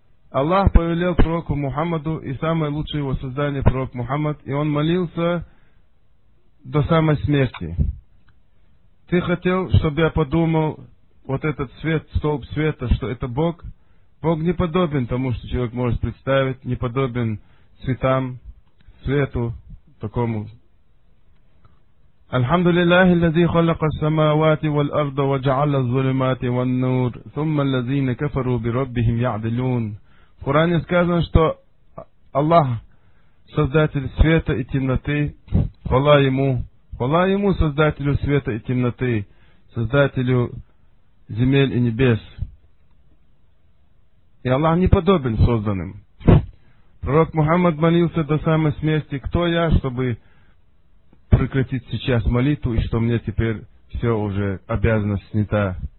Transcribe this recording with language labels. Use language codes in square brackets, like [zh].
[ru] Аллах повелел пророку Мухаммаду, и самое лучшее его создание пророк Мухаммад, и он молился до самой смерти. Ты хотел, чтобы я подумал, вот этот свет, столб света, что это Бог? Бог не подобен тому, что человек может представить, не подобен цветам, свету такому. [ar] الحمد لله الذي خلق السماوات والأرض وجعل الظلمات والنور ثم الذين كفروا بربهم يعدلون. [ru] В Коране сказано, что Аллах создатель света и темноты, хвала ему создателю света и темноты, создателю земель и небес. И Аллах не подобен созданным. Пророк Мухаммад молился до самой смерти: кто я, чтобы прекратить сейчас молитву, и что мне теперь все уже обязанность снята.